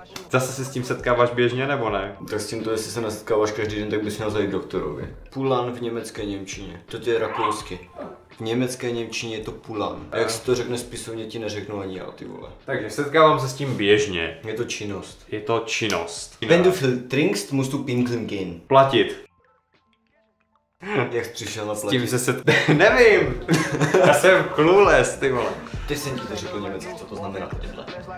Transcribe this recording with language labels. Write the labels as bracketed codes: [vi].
[cs] Zase se s tím setkáváš běžně, nebo ne? Tak s tímto, jestli se nesetkáváš každý den, tak bys měl zajít doktorovi. Pulan v německé němčině. To je rakousky. V německé němčině je to pulan. A jak se to řekne spisovně, ti neřeknu ani já, ty vole. Takže setkávám se s tím běžně. Je to činnost. Je to činnost. [de] Wenn du viel trinkst, musst du pinkeln gehen. [cs] Platit. Jak jsi přišel na platit? S tím se nevím! Já jsem clueless, ty vole. Ty jsem ti to řekl německy, co to znamená to dělat.